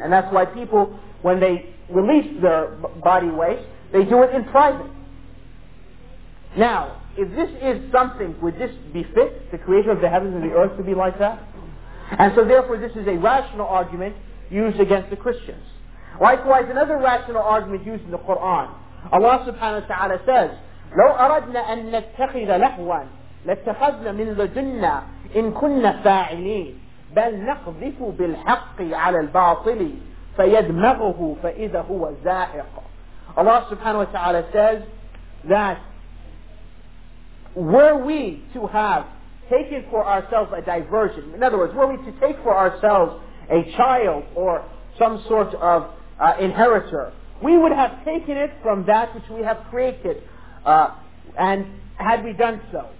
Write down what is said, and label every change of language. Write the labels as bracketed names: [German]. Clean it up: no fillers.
[English] And that's why people, when they release their body waste, they do it in private. Now, if this is something, would this befit the creator of the heavens and the earth to be like that? And so therefore this is a rational argument used against the Christians. Likewise, another rational argument used in the Quran. Allah subhanahu wa ta'ala says, [Arabic] لو أردنا أن نتخذ لهوا لاتخذنا من لدنا إن كنا فاعلين بل نقذف بالحق على الباطل فيدمغه فإذا هو زاهق. [English] Allah subhanahu wa ta'ala says that were we to have taken for ourselves a diversion, in other words, were we to take for ourselves a child or some sort of inheritor, we would have taken it from that which we have created, and had we done so.